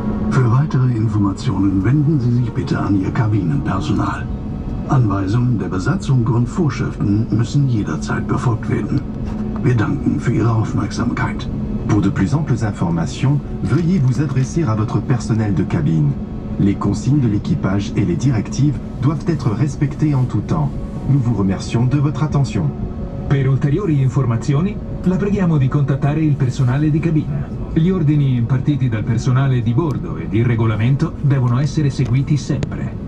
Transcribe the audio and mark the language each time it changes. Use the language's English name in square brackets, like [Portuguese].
[German] Für weitere Informationen wenden Sie sich bitte an Ihr Kabinenpersonal. Anweisungen der Besatzung und Vorschriften müssen jederzeit befolgt werden. Wir danken für Ihre Aufmerksamkeit. [French] Pour de plus amples informations, veuillez vous adresser à votre personnel de cabine. Les consignes de l'équipage et les directives doivent être respectées en tout temps. Nous vous remercions de votre attention. [Italian] Per ulteriori informazioni, la preghiamo di contattare il personale di cabina. Gli ordini impartiti dal personale di bordo e di regolamento devono essere seguiti sempre.